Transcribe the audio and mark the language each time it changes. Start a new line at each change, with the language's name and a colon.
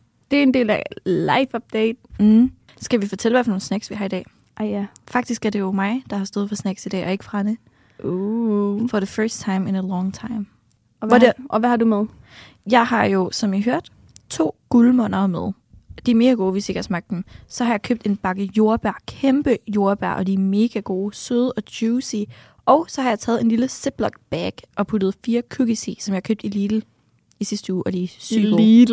Danish: Det er en del af life update. Mm. Skal vi fortælle, hvad for nogle snacks vi har i dag? Ah, ja. Faktisk er det jo mig, der har stået for snacks i dag, og ikke Franne.
English: For the first time in a long time.
Danish: Og hvad har du med? Jeg har jo, som I hørt, 2 guldmunder med. De er mega gode, hvis I ikke har smagt dem. Så har jeg købt en bakke jordbær. Kæmpe jordbær, og de er mega gode. Søde og juicy. Og så har jeg taget en lille Ziploc bag og puttet 4 cookies i, som jeg købte i Lidl i sidste uge, og de er syge gode.